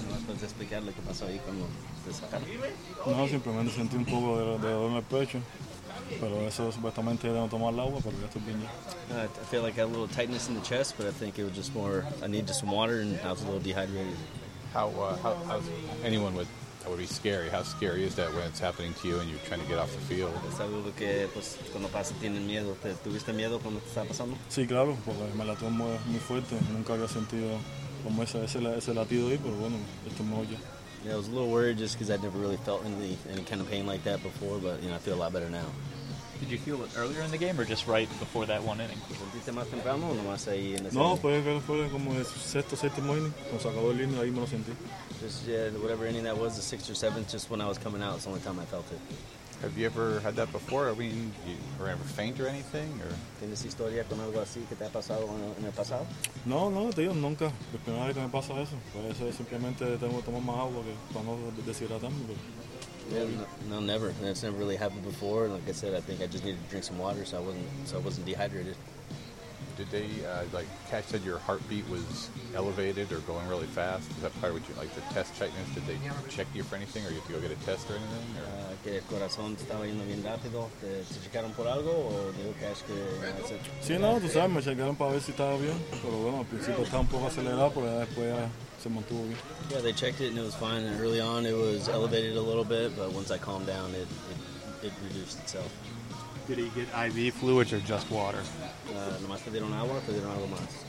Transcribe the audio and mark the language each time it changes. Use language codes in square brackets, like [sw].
[es] ¿Puedes explicar lo que pasó ahí cuando te sacaron? No, simplemente sentí un poco de dolor en el pecho, pero eso supuestamente era no tomar el agua, pero ya estoy bien. [en] I feel like I had a little tightness in the chest, but I think it was just more, I needed some water and I was a little dehydrated. That would be scary. How scary is that when it's happening to you and you're trying to get off the field? [es] ¿Es algo que, pues, cuando pasa tienen miedo? ¿Tuviste miedo cuando te estaba pasando? Sí, claro, porque me la tomo muy fuerte. Nunca había sentido como ese latido ahí, pero bueno, esto me oye. [en] Yeah, I was a little worried just because I'd never really felt any kind of pain like that before, but, you know, I feel a lot better now. Did you feel it earlier in the game or just right before that one inning? [es] ¿Sentiste más temprano o nomás ahí en ese? No, fue como el sexto, séptimo inning. Cuando se acabó el inning, ahí me lo sentí. [en] Just, yeah, whatever inning that was, the sixth or seventh, just when I was coming out, it's the only time I felt it. Have you ever had that before? I mean, you were ever faint or anything? Or? [es] ¿Tienes historia con algo así que te ha pasado en el pasado? No, te digo, nunca. La primera vez que me pasa eso. Por eso simplemente tengo que tomar más agua que para no deshidratarme. Pero... [en] Yeah, no, never. That's never really happened before. Like I said, I think I just needed to drink some water so I wasn't dehydrated. Did they, like Cash said, your heartbeat was elevated or going really fast? Is that part of what you, like the test tightness? Did they check you for anything or you have to go get a test or anything? Or? [es] Que el corazón estaba yendo bien rápido. ¿Te checaron por algo o dijo Cash que... Sí, no, tú sabes, me checaron para ver si estaba bien. Pero bueno, al principio estaba un poco acelerado, pero después ya se mantuvo bien. [en] Yeah, they checked it and it was fine. And early on it was elevated a little bit, but once I calmed down, it reduced itself. Did he get IV fluids or just water? [es] Nomás te dieron agua, te dieron algo más.